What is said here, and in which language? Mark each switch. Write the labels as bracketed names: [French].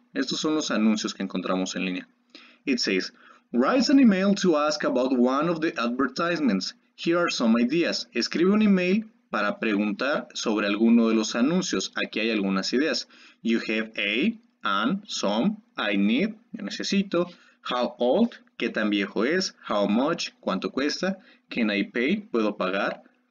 [Spanish] Estos son los anuncios que encontramos en línea. [English] It says, write an email to ask about one of the advertisements. Here are some ideas. [Spanish] Escribe un email para preguntar sobre alguno de los anuncios. Aquí hay algunas ideas. [English] You have a, an, some, I need, [Spanish] yo necesito, [English] how old, [Spanish] qué tan viejo es, [English] how much, [Spanish] cuánto cuesta, [English] can I pay, [Spanish] puedo pagar.